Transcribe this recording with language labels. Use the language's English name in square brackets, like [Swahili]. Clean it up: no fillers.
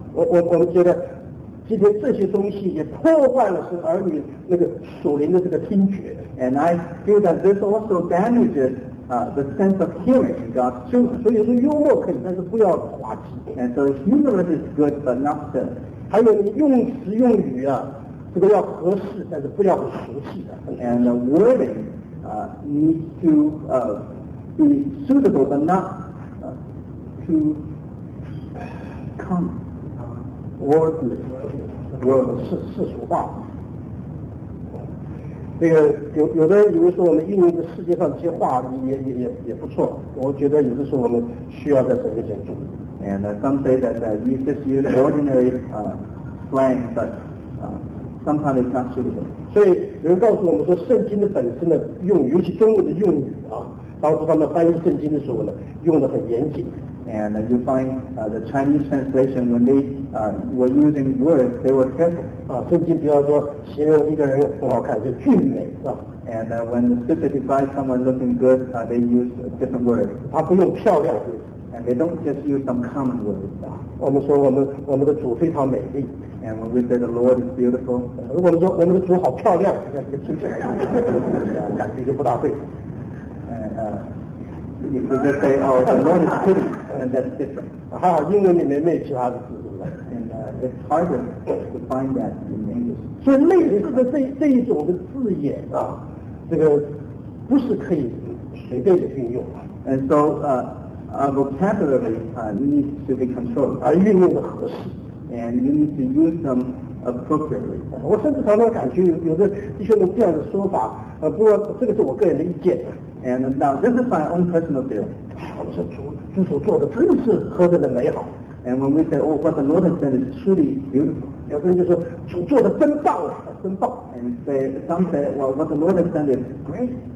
[Chinese] 我们觉得今天这些东西也破坏了神儿女那个属灵的这个听觉。 [English] And I feel that this also damages. The sense of hearing in God's truth. [Chinese] 所以说幽默可以，但是不要滑稽。 [English] And so humorous is good, but not the. [Chinese] 还有你用词用语啊，这个要合适，但是不要俗气的。 [English] And the wording needs to be suitable, but not too common. Wordless [Chinese] 世俗化。这个有的以为说我们运用的世界上这些话也不错，我觉得有的时候我们需要在神面前注意。 [English] And some say that we just use ordinary slang, but sometimes it's not suitable. [Chinese] 所以有人告诉我们说，圣经的本身的用，尤其中文的用语啊，当初他们翻译圣经的时候呢，用得很严谨。 [English] And you find the Chinese translation when they were using words, they were careful. [Chinese] 啊，圣经比方说形容一个人很好看，就俊美，是吧 [English] ？And when the scripture describes someone looking good, they use a different word. [Chinese] 他不用漂亮。 [English] And they don't just use some common words. [Chinese] 我们说我们的主非常美丽。 [English] And when we say the Lord is beautiful, [Chinese] 如果说我们的主好漂亮，那这个听起来感觉就不大对。 [English] you can just say, oh, the Lord is pity, and that's different. And it's harder to find that in English. [Chinese] So, 类似的这一种的字眼啊, 这个不是可以随便的运用。 [English] And so, our vocabulary needs to be controlled. [Chinese] 而运用的合适。 [English] And you need to use them appropriately. [Chinese] 我甚至常常感觉有的弟兄们这样的说法, 不过这个是我个人的意见。 [English] And now, this is my own personal view. [Chinese] 我说主所做的真是何等的美好。 [English] And when we say, oh, what the Lord has done is truly beautiful. [Chinese] 有的人就说主做的真棒啊，真棒。 [English] And say, some say, well, what the Lord has done is great.